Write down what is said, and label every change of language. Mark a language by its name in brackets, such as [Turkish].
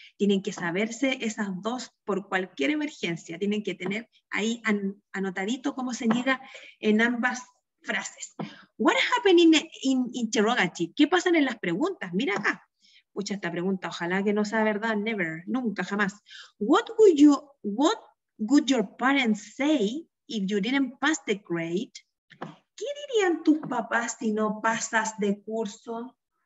[Spanish] Tienen que saberse esas dos por cualquier emergencia. Tienen que tener ahí anotadito cómo se niega en ambas frases. [English] What happened in interrogative? [Spanish] ¿Qué pasan en las preguntas? Mira acá. Pucha, esta pregunta, ojalá que no sea verdad. [English] Never, [Spanish] nunca, jamás. [English] What would your parents say if you didn't pass the grade? [Spanish] ¿Qué dirían tus papás si no pasas de curso?